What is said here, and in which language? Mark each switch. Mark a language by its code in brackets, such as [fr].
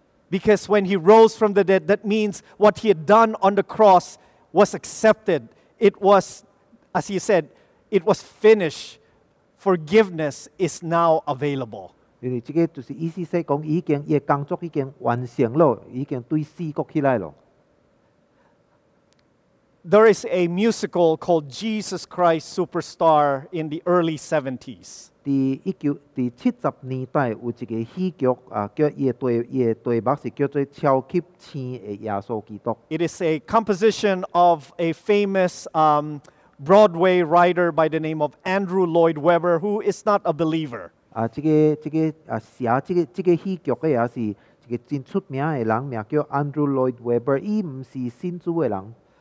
[en] ？Because when he rose from the dead, that means what he had done on the cross was accepted. It was, as he said, it was finished. Forgiveness is now available. [nan] 因为这个就是意思说讲，已经耶工作已经完成了，已经对死过起来了。 [en] There is a musical called Jesus Christ Superstar in the early 70s. [nan] 在70年代有一个戏剧啊，叫伊的题目是叫做《超级星的耶稣基督》。 [en] It is a composition of a famous Broadway writer by the name of Andrew Lloyd Webber, who is not a believer. [nan] 啊，这个写这个戏剧的也是一个真出名的人，名叫 Andrew Lloyd Webber， 伊唔是信主的人。